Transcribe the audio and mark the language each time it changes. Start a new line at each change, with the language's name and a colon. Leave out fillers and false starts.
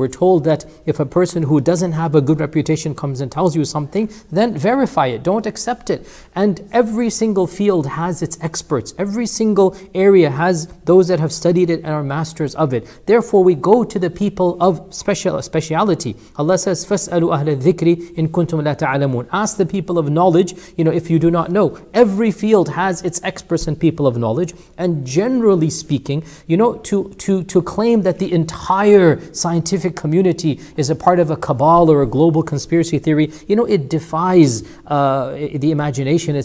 English: We're told that if a person who doesn't have a good reputation comes and tells you something, then verify it, don't accept it. And every single field has its experts. Every single area has those that have studied it and are masters of it. Therefore, we go to the people of speciality.
Arabic: Allah says, فَاسْأَلُوا أَهْلَ الذِّكْرِ إِن كُنْتُمْ لَا تَعْلَمُونَ.
English: Ask the people of knowledge, you know, if you do not know. Every field has its experts and people of knowledge. And generally speaking, you know, to claim that the entire scientific community is a part of a cabal or a global conspiracy theory, you know, it defies the imagination.